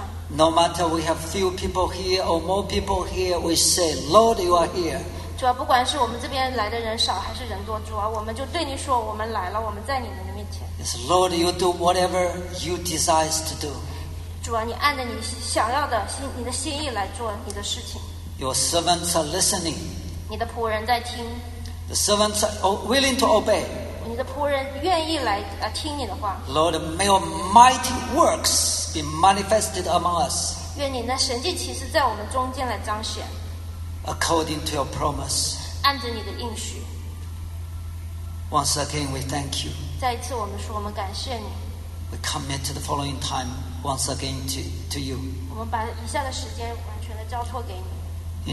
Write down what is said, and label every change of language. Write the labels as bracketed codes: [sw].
[en] No matter we have few people here or more people here, we say, Lord, you are here. [zh] 主啊，不管是我们这边来的人少还是人多，主啊，我们就对你说，我们来了，我们在你的面前。 [en] You Yes, Lord, you do whatever you desire to do. [zh] 主啊，你按着你想要的心，你的心意来做你的事情。 [en] Your servants are listening. [zh] 你的仆人在听。 [en] The servants are willing to obey. [zh] 你的仆人愿意来听你的话。 [en] Lord, may your mighty works be manifested among us. [zh] 愿你的神迹奇事在我们中间来彰显。 [en] According to your promise. [zh] 按着你的应许。 [en] Once again, we thank you. [zh] 再一次，我们说，我们感谢你。 [en] We commit to the following time once again to you. [zh] 我们把以下的时间完全的交托给你。